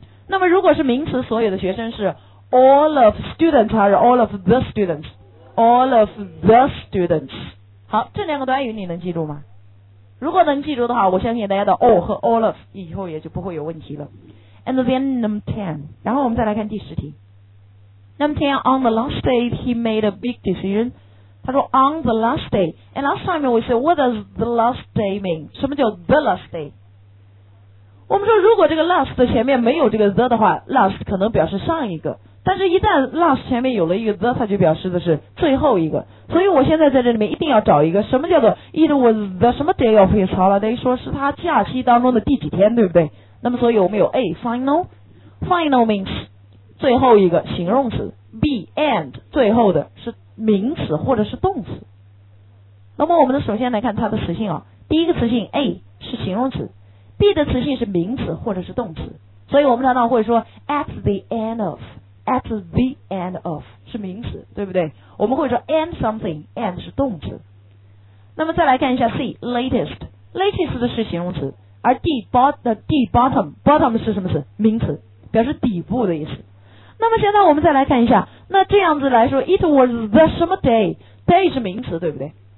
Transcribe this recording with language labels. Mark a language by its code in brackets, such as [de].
[zh] 那么如果是名词，所有的学生是 [en] all of students [zh] 还是 [en] all of the students？ all of the students。 [zh] 好，这两个短语你能记住吗？如果能记住的话，我相信大家的 all 和 all of 以后也就不会有问题了。 [en] and then number 10， [zh] 然后我们再来看第十题。 [en] Number 10, on the last day, he made a big decision. [zh] 他说 [en] on the last day. And last time we said, what does the last day mean? [zh] 什么叫 [en] the last day? [zh] 我们说如果这个 last 前面没有这个 the 的话， last 可能表示上一个。但是一旦 last 前面有了一个 the， 它就表示的是最后一个。所以我现在在这里面一定要找一个，什么叫做 it was the 什么 day of his holiday， 说是他假期当中的第几天，对不对？那么所以我们有 A, final. [en] Final means [zh] 最后一个形容词， B end 最后的是名词或者是动词。那么我们首先来看它的词性啊，第一个词性 A 是形容词， B 的词性是名词或者是动词。所以我们常常会说 at the end of， at the end of 是名词，对不对？我们会说 end something， end 是动词。那么再来看一下 C， latest， latest 是形容词，而 D bottom， bottom 是什么词？名词，表示底部的意思。那么现在我们再来看一下，那这样子来说 it was the 什么 day， day 是名词，对不对？